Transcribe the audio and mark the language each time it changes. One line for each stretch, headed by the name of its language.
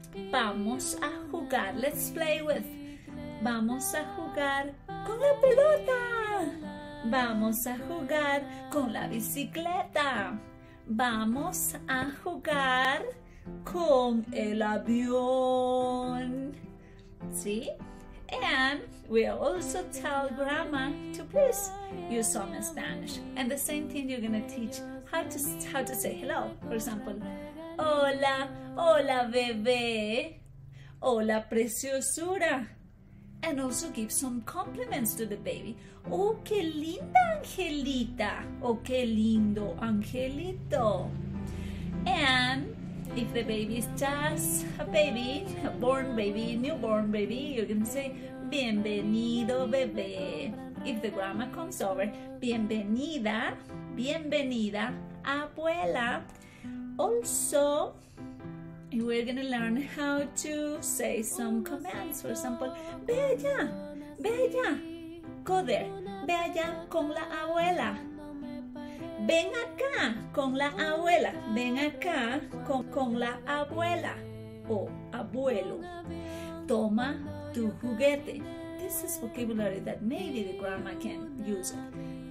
Spanish: Vamos a jugar,
English: let's play with.
Spanish: Vamos a jugar con la pelota. Vamos a jugar con la bicicleta. Vamos a jugar con el avión.
English: See? And we also tell grandma to please use some Spanish. And the same thing you're gonna teach how to say hello. For example,
Spanish: hola, hola bebé, hola preciosura.
English: And also give some compliments to the baby.
Spanish: Oh, qué linda angelita. Oh, qué lindo angelito.
English: And if the baby is just a baby, a born baby, newborn baby, you can say,
Spanish: bienvenido bebé.
English: If the grandma comes over,
Spanish: bienvenida, bienvenida abuela.
English: Also, we're going to learn how to say some commands. For example,
Spanish: ve allá, ve allá.
English: Go there.
Spanish: Ve allá con la abuela. Ven acá con la abuela. Ven acá con la abuela o abuelo. Toma tu juguete.
English: This is vocabulary that maybe the grandma can use it.